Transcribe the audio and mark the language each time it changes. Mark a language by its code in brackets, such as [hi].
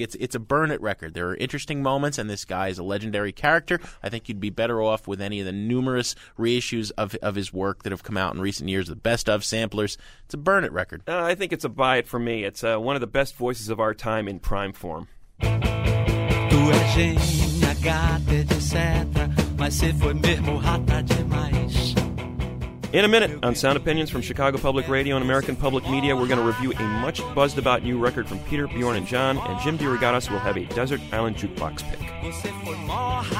[en] It's a burn-it record. There are interesting moments, and this guy is a legendary character. I think you'd be better off with any of the numerous reissues of his work that have come out in recent years, the best-of samplers. It's a burn-it record. I think it's a buy-it for me. It's one of the best voices of our time in prime form. [pt] Tu é gênia, gata, etc. Mas cê foi mesmo rata demais. [en] In a minute, on Sound Opinions from Chicago Public Radio and American Public Media, we're going to review a much buzzed about new record from Peter, Bjorn, and John, and Jim DeRogatis will have a Desert Island Jukebox pick.